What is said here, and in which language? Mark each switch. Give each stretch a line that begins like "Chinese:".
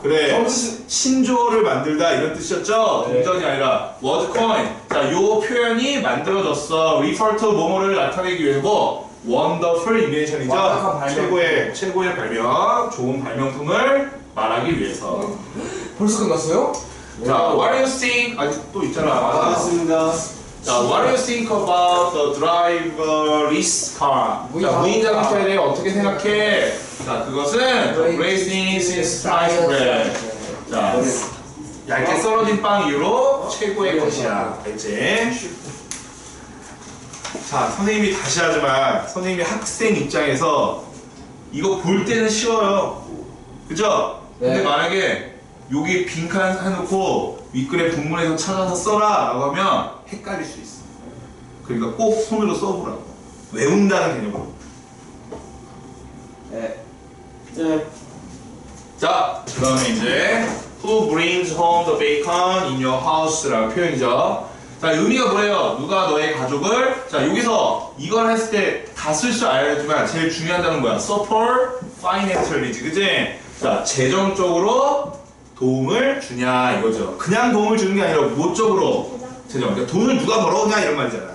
Korean: 그래 신조어를 만들다 이런 뜻이었죠? 네. 동전이 아니라
English: word coin
Korean: 자, 요 표현이 만들어졌어
English: refer to
Korean: 뭐뭐를 나타내기 위해 뭐
English: wonderful invention
Korean: 이죠. 최고의 발명, 좋은 발명품을 말하기 위해서. 벌써 끝났어요? 자,
English: what do you think?
Korean: 아직 또 있잖아. 맞습니다.
English: 자, what do you think about the driverless car?
Korean: 자, 무인자동차에 대해 어떻게 생각해? 자, 그것은
English: racing since sliced bread.
Korean: 자, 얇게 썰어진 빵 이후로 최고의 것이야. 이제. 자, 선생님이 다시 하지만 선생님이 학생 입장에서 이거 볼 때는 쉬워요. 그죠? 네. 근데 만약에 여기 빈칸 해놓고 윗글에 본문에서 찾아서 써라 라고 하면 헷갈릴 수 있어. 그러니까 꼭 손으로 써보라고. 외운다는 개념으로. 네. 네. 자, 그 다음에 이제
English: Who brings home the bacon in your house?
Korean: 라는 표현이죠. 자, 의미가 뭐예요? 누가 너의 가족을? 자, 여기서 이걸 했을 때 다 쓸 줄 알아야 되지만 제일 중요하다는 거야.
English: Support financially, 그치?
Korean: 자, 재정적으로 도움을 주냐 이거죠. 그냥 도움을 주는 게 아니라 무엇적으로 재정. 그러니까 돈을 누가 벌었냐 이런 말이잖아.